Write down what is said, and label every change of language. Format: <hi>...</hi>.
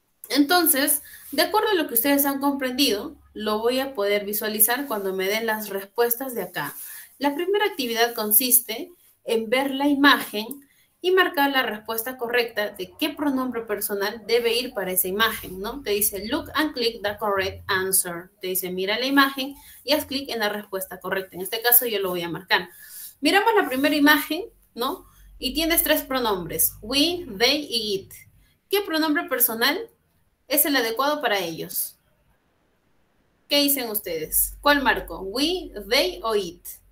<es>Entonces, de acuerdo a lo que ustedes han comprendido, lo voy a poder visualizar cuando me den las respuestas de acá. La primera actividad consiste en ver la imagen y marcar la respuesta correcta de qué pronombre personal debe ir para esa imagen, ¿no? Te dice,</es> <en>look and click the correct answer.</en> <es>Te dice, mira la imagen y haz clic en la respuesta correcta. En este caso yo lo voy a marcar. Miramos la primera imagen, ¿no? Y tienes tres pronombres, we, they y it. ¿Qué pronombre personal es el adecuado para ellos? ¿Qué dicen ustedes? ¿Cuál marco? ¿We, they o it?</es>